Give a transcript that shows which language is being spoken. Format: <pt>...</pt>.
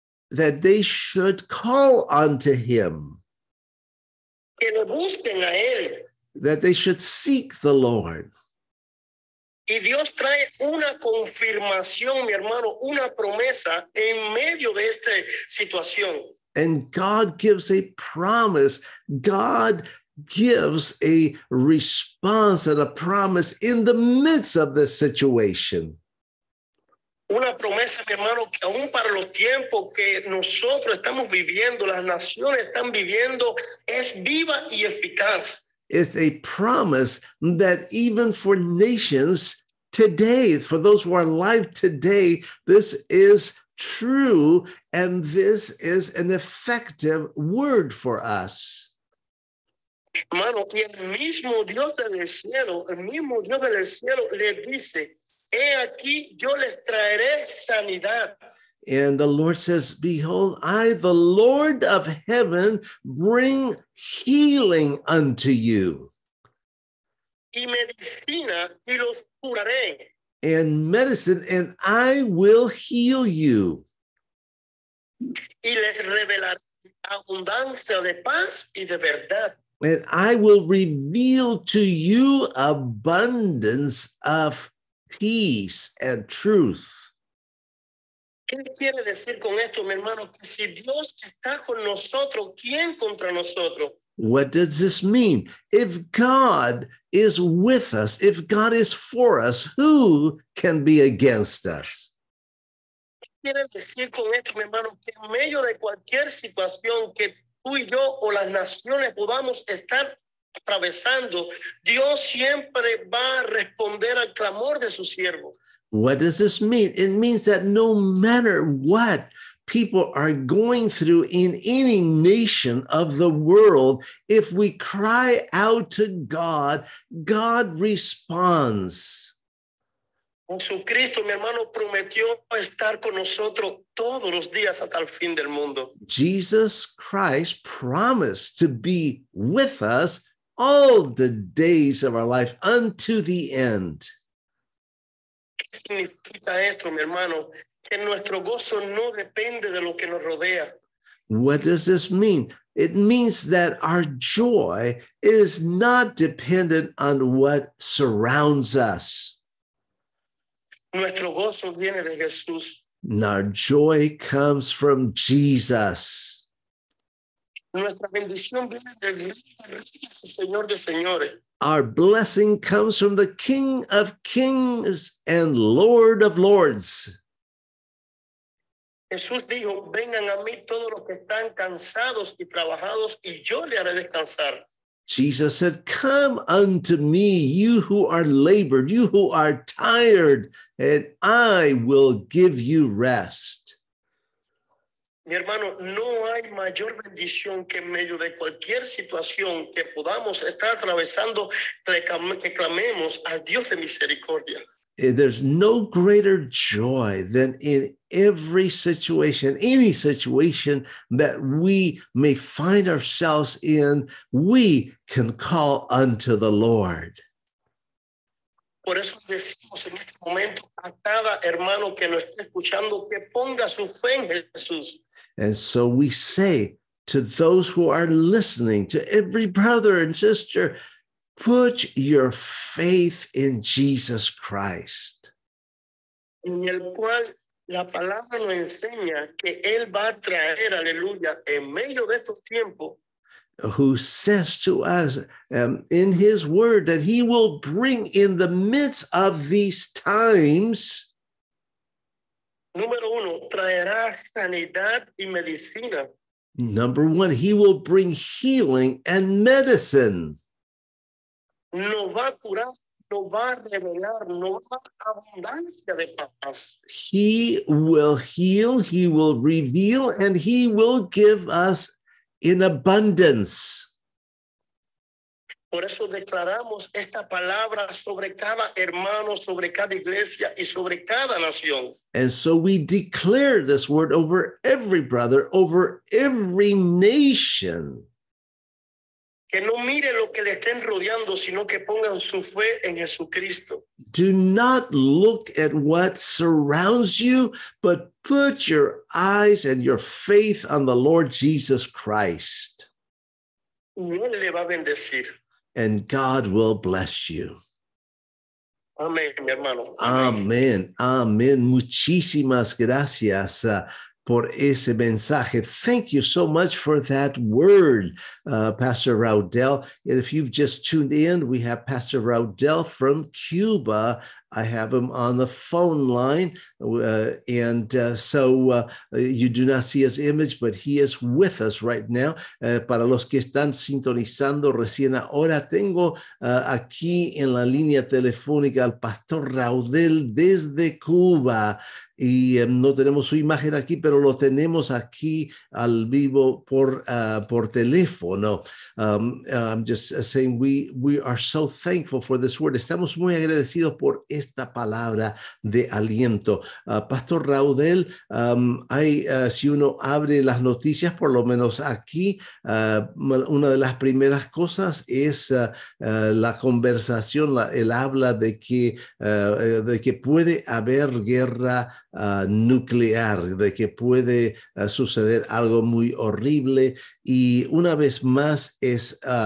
<en>That they should call unto him.</en> <es>Que lo busquen a él.</es> <en>That they should seek the Lord.</en> <es>Y Dios trae una confirmación, mi hermano, una promesa en medio de esta situación.</es> <en>And God gives a promise. God gives a response and a promise in the midst of this situation.</en> <es>Una promesa, mi hermano, que aún para los tiempos que nosotros estamos viviendo, las naciones están viviendo, es viva y eficaz.</es> <en>It's a promise that even for nations today, for those who are alive today, this is true and this is an effective word for us.</en> <es>Hermano, y el mismo Dios del cielo, el mismo Dios del cielo le dice, he aquí, yo les traeré sanidad.</es> <en>And the Lord says, behold, I, the Lord of heaven, bring healing unto you.</en> <es>Y medicina, y los curaré.</es> <en>And medicine, and I will heal you.</en> <es>Y les revelaré abundancia de paz y de verdad.</es> <en>And I will reveal to you abundance of peace and truth.</en> <es>¿Qué quiere decir con esto, mi hermano? Que si Dios está con nosotros, ¿quién contra nosotros?</es> <en>What does this mean? If God is with us, if God is for us, who can be against us?</en> <es>¿Qué quiere decir con esto, mi hermano? Que en medio de cualquier situación que tú y yo o las naciones podamos estar atravesando, Dios siempre va a responder al clamor de su siervo.</es> <en>What does this mean? It means that no matter what people are going through in any nation of the world, if we cry out to God, God responds.</en> <es>Jesucristo, mi hermano, prometió estar con nosotros todos los días hasta el fin del mundo.</es> <en>Jesus Christ promised to be with us all the days of our life unto the end.</en> <es>¿Qué significa esto, mi hermano? Que nuestro gozo no depende de lo que nos rodea.</es> <en>What does this mean? It means that our joy is not dependent on what surrounds us.</en> <es>Nuestro gozo viene de Jesús.</es> <en>And our joy comes from Jesus.</en> <es>Nuestra bendición viene de Dios, Señor de señores.</es> <en>Our blessing comes from the King of Kings and Lord of Lords.</en> <es>Jesús dijo, vengan a mí todos los que están cansados y trabajados y yo le haré descansar.</es> <en>Jesus said, come unto me, you who are labored, you who are tired, and I will give you rest.</en> <es>Mi hermano, no hay mayor bendición que en medio de cualquier situación que podamos estar atravesando, que clamemos al Dios de misericordia.</es> <en>There's no greater joy than in every situation, any situation that we may find ourselves in, we can call unto the Lord.</en> <es>Por eso decimos en este momento a cada hermano que nos esté escuchando que ponga su fe en Jesús.</es> <en>And so we say to those who are listening, to every brother and sister, put your faith in Jesus Christ.</en> <es>En el cual la palabra nos enseña que Él va a traer, aleluya, en medio de estos tiempos.</es> <en>Who says to us in His word that He will bring in the midst of these times.</en> <es>Número uno, traerá sanidad y medicina.</es> <en>Number one, He will bring healing and medicine.</en> <es>Nos va a curar no va a revelar nueva abundancia de paz.</es> <en>He will heal, he will reveal, and he will give us in abundance.</en> <es>Por eso declaramos esta palabra sobre cada hermano, sobre cada iglesia y sobre cada nación.</es> <en>And so we declare this word over every brother, over every nation.</en> <es>Que no mire lo que le estén rodeando, sino que pongan su fe en Jesucristo.</es> <en>Do not look at what surrounds you, but put your eyes and your faith on the Lord Jesus Christ.</en> <es>Y él le va a bendecir.</es> <en>And God will bless you.</en> <es>Amén, mi hermano. Amén, amén. Muchísimas gracias por ese mensaje.</es> <en>Thank you so much for that word, Pastor Raudel. And if you've just tuned in, we have Pastor Raudel from Cuba. I have him on the phone line. And so you do not see his image, but he is with us right now.</en> <es>Para los que están sintonizando recién ahora, tengo aquí en la línea telefónica al Pastor Raudel desde Cuba. Y no tenemos su imagen aquí, pero lo tenemos aquí al vivo por teléfono.</es> <en>I'm just saying we are so thankful for this word.</en> <es>Estamos muy agradecidos por esta palabra de aliento. Pastor Raudel, si uno abre las noticias, por lo menos aquí, una de las primeras cosas es la conversación, el habla de que puede haber guerra nuclear, de que puede suceder algo muy horrible, y una vez más es</es>